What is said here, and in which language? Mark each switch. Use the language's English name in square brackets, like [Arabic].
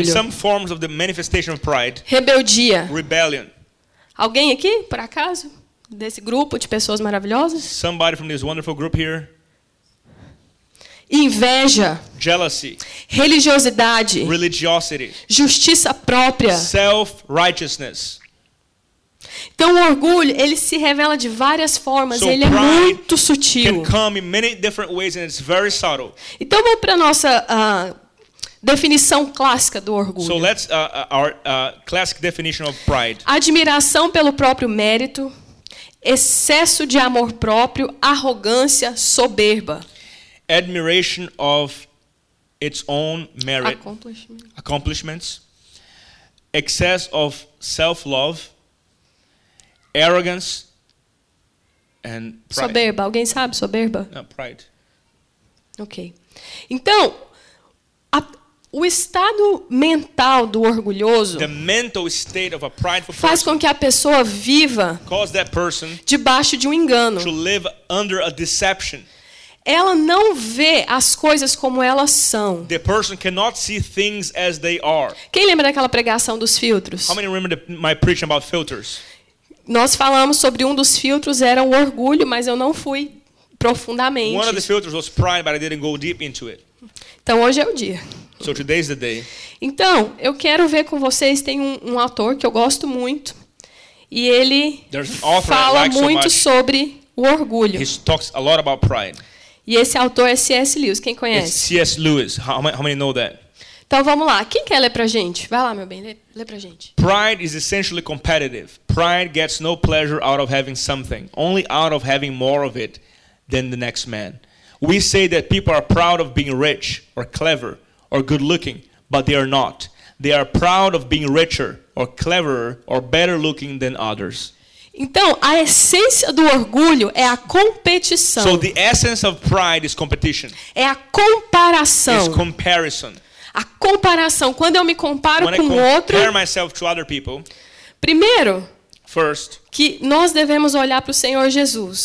[English] And some forms of the manifestation of pride. [Portuguese] Rebeldia. [English] Rebellion. [Portuguese] Alguém aqui, por acaso, desse grupo de pessoas maravilhosas? [English] Somebody from this wonderful group here. [Portuguese] Inveja. [English] Jealousy. [Portuguese] Religiosidade. [English] Religiosity. [Portuguese] Justiça própria. [English] Self-righteousness. [Portuguese] Então o orgulho, ele se revela de várias formas, ele é muito sutil. [English] Can come in many different ways and it's very subtle. [Portuguese] Então vamos para a nossa definição clássica do orgulho. [English] So let's classic definition of pride. [Portuguese] Admiração pelo próprio mérito, excesso de amor próprio, arrogância, soberba. [English] Admiration of its own merit, accomplishments, excess of self-love, arrogance, and pride. [Portuguese] Soberba. Alguém sabe soberba? [English] No, pride. [Portuguese] Ok. Então, o estado mental do orgulhoso [English] the mental state of a prideful [Portuguese] faz [English] person [Portuguese] com que a pessoa viva [English] cause that person [Portuguese] debaixo de engano. [English] To live under a deception. [Portuguese] Ela não vê as coisas como elas são. [English] The person cannot see things as they are. [Portuguese] Quem lembra daquela pregação dos filtros? [English] How many remember my preaching about filters? [Portuguese] Nós falamos sobre um dos filtros era o orgulho, mas eu não fui profundamente. [English] One of the filters was pride, but I didn't go deep into it. [Portuguese] Então hoje é o dia. [English] So today's the day. [Portuguese] Então, eu quero ver com vocês tem um autor que eu gosto muito. E ele fala [English] like [Portuguese] muito [English] so [Portuguese] sobre o orgulho. [English] He talks a lot about pride. [Portuguese] E esse autor é C.S. Lewis. Quem conhece? [English] C.S. Lewis. How many know that? [Portuguese] Então vamos lá. Quem quer ler pra gente? Vai lá, meu bem. Lê pra gente. [English] Pride is essentially competitive. Pride gets no pleasure out of having something, only out of having more of it than the next man. We say that people are proud of being rich or clever or good looking, but they are not. They are proud of being richer or cleverer or better looking than others. [Portuguese] Então, a essência do orgulho é a competição. [English] So the essence of pride is competition. [Portuguese] É a comparação. [English] It's comparison. [Portuguese] A comparação. Quando eu me comparo [English] When [Portuguese] com [English] I compare [Portuguese] outro. [English] Myself to other people, [Portuguese] primeiro. [English] First, [Portuguese] que nós devemos olhar para o Senhor Jesus.